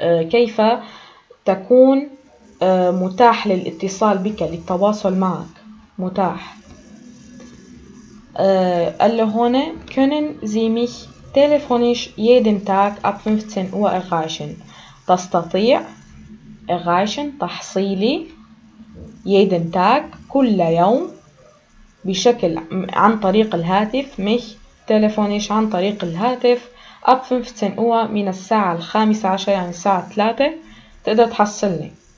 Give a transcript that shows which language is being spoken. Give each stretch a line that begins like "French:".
Arabic: كيف تكون متاح للاتصال بك للتواصل معك متاح. قال له هون
German: können Sie mich telefonisch jeden Tag ab 15 Uhr erreichen.
Arabic: تستطيع erreichen تحصيلي
German: jeden Tag
Arabic: كل يوم بشكل عن طريق الهاتف
German: mich telefonisch
Arabic: عن طريق الهاتف
German: ab 15 Uhr
Arabic: من الساعة الخامسة عشر يعني الساعة الثلاثة تقدر تحصلني